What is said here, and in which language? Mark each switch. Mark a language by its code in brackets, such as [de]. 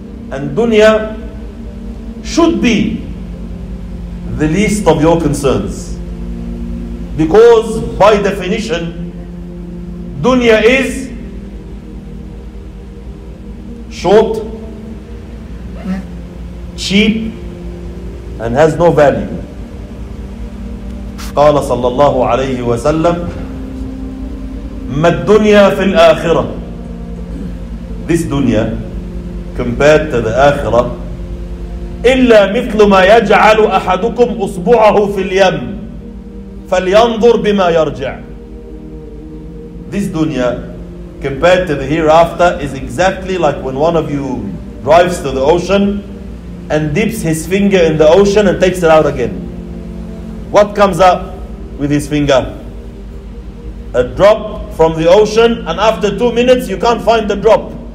[en] And dunya should be the least of your concerns. Because by definition, dunya is short, cheap, and has no value. [ar] قال صلى الله عليه وسلم ما الدنيا في الآخرة. [en] This dunya compared to the [ar] آخرة إلا مثل ما يجعل أحدكم أصبعه في اليم فلينظر بما يرجع. [en] This dunya compared to the hereafter is exactly like when one of you drives to the ocean and dips his finger in the ocean and takes it out again. What comes up with his finger? A drop from the ocean, and after 2 minutes you can't find the drop.